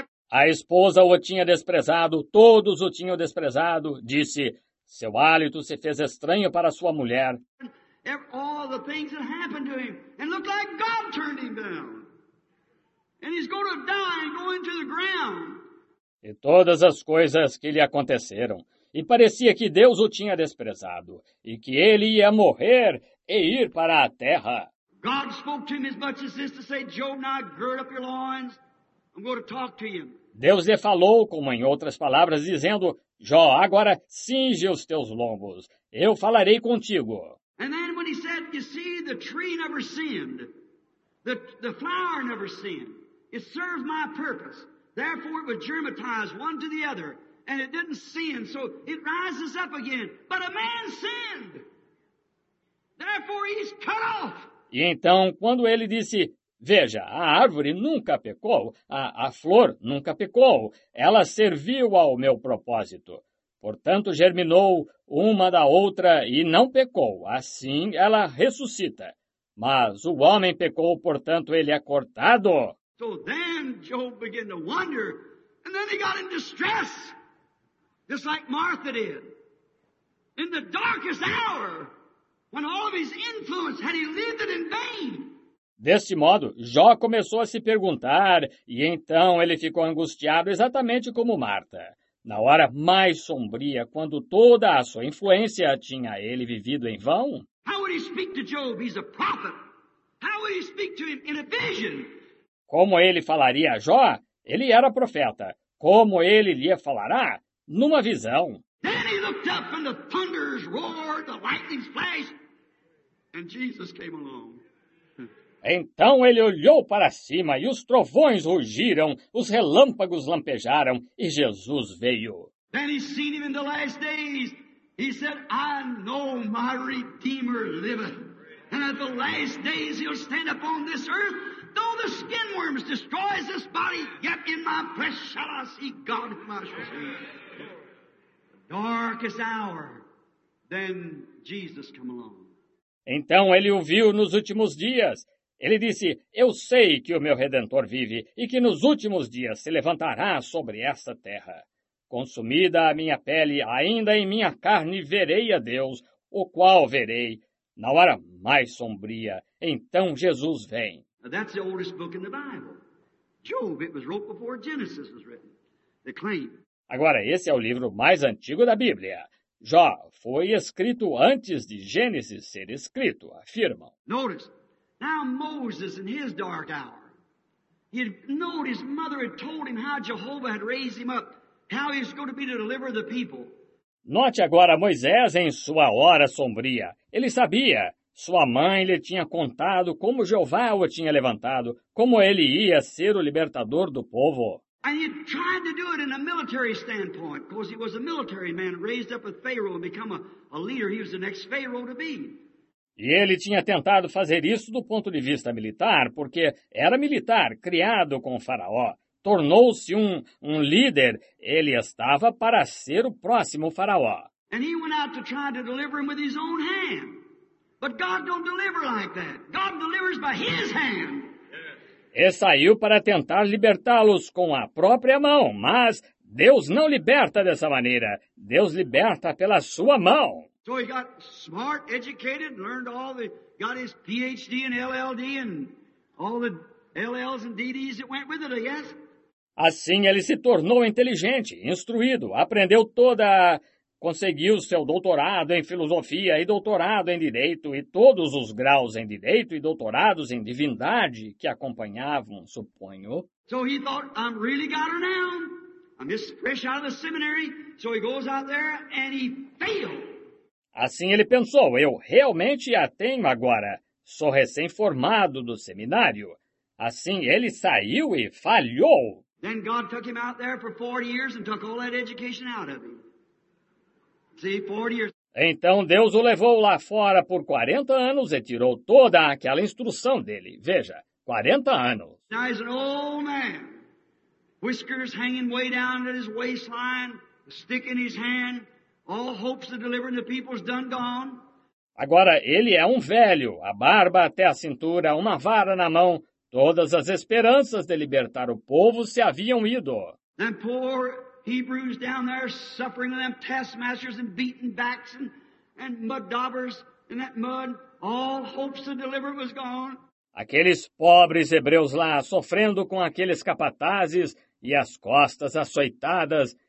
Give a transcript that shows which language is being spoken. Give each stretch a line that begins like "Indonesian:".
Portuguese: A esposa o tinha desprezado, todos o tinham desprezado, disse, seu hálito se fez estranho para sua mulher.
English: All the things that happened to him, and looked like God turned him down. And he's going to die and go into the ground.
Portuguese: E todas as coisas que lhe aconteceram, e parecia que Deus o tinha desprezado, e que ele ia morrer e ir para a terra.
English: God spoke to him as much as this to say, Job, now gird up your loins, I'm going to talk to you.
Portuguese: Deus lhe falou, como em outras palavras, dizendo, Jó, agora cinge os teus lombos, eu falarei contigo.
English: And then when he said, you see, the tree never sinned, the flower never sinned, it served my purpose. Therefore, it would germatize one to the other, and it didn't sin, so it rises up again. But a man sinned. Therefore, he's cut off.
Portuguese: E então, quando ele disse, Veja, a árvore nunca pecou, a flor nunca pecou, ela serviu ao meu propósito. Portanto, germinou uma da outra e não pecou, assim ela ressuscita. Mas o homem pecou, portanto, ele é cortado.
English: So then Job began to wonder, and then he got in distress, just like Martha did. In the darkest hour, when all of his influence had yielded in vain.
Portuguese: Deste modo, Jó começou a se perguntar, e então ele ficou angustiado exatamente como Marta. Na hora mais sombria, quando toda a sua influência tinha ele vivido em vão.
English: How would he speak to Job? He's a prophet. How would he speak to him in a vision?
Portuguese: Como ele falaria a Jó? Ele era profeta. Como ele lhe falará? Numa visão.
English: Then he looked up and the thunders roared, the lightning flashed, and Jesus came along.
Portuguese: Então ele olhou para cima e os trovões rugiram, os relâmpagos lampejaram e Jesus veio.
English: Then he seen him in the last days. He said, I know my Redeemer liveth. And at the last days he'll stand upon this earth. Though the skin worms destroys this body, yet in my breast shall I see God in my shoes. The darkest hour, then Jesus come along.
Portuguese: Então ele o viu nos últimos dias. Ele disse, eu sei que o meu Redentor vive e que nos últimos dias se levantará sobre esta terra. Consumida a minha pele, ainda em minha carne, verei a Deus, o qual verei. Na hora mais sombria, então Jesus vem.
English: That's the oldest book in the Bible. Job, it was wrote before Genesis was written. The claim.
Portuguese: Agora, esse é o livro mais antigo da Bíblia. Jó foi escrito antes de Gênesis ser escrito, afirmam.
English: Notice. Now Moses, in his dark hour, he had known his mother had told him how Jehovah had raised him up, how he was going to be to deliver the people.
Portuguese: Note agora Moisés em sua hora sombria. Ele sabia, sua mãe lhe tinha contado como Jeová o tinha levantado, como ele ia ser o libertador do povo.
English: And he tried to do it in a military standpoint, because he was a military man raised up with Pharaoh and become a leader. He was the next Pharaoh to be.
Portuguese: E ele tinha tentado fazer isso do ponto de vista militar, porque era militar, criado com o faraó. Tornou-se um líder. Ele estava para ser o próximo faraó.
English: And he went out to try to deliver him with his own hand. But God don't deliver like that. God delivers by his hand.
Portuguese: E saiu para tentar libertá-los com a própria mão, mas Deus não liberta dessa maneira. Deus liberta pela sua mão.
English: So he got smart, educated, learned all the, got his PhD and LLD and all the LLs and DDs that went with it, I guess.
Portuguese: Assim ele se tornou inteligente, instruído, aprendeu toda, conseguiu seu doutorado em filosofia e doutorado em direito e todos os graus em direito e doutorados em divindade que acompanhavam, suponho.
English: So he thought, I'm really got her now. I'm just fresh out of the seminary. So he goes out there and he failed.
Portuguese: Assim ele pensou, eu realmente a tenho agora, sou recém-formado do seminário. Assim ele saiu e falhou.
English: Then God took him out there for 40 years and took all that education out of him. See, 40 years.
Portuguese: Então Deus o levou lá fora por 40 anos e tirou toda aquela instrução dele. Veja, 40 anos.
English: Now he's an old man, whiskers hanging way down at his waistline, a stick in his hand. All hopes of delivering the people's done gone.
Portuguese: Agora ele é um velho, a barba até a cintura, uma vara na mão. Todas as esperanças de libertar o povo se haviam ido.
English: And poor Hebrews down there suffering them taskmasters and beaten backs and mud daubers in that mud. All hopes of delivering was gone.
Portuguese: Aqueles pobres hebreus lá sofrendo com aqueles capatazes e as costas açoitadas.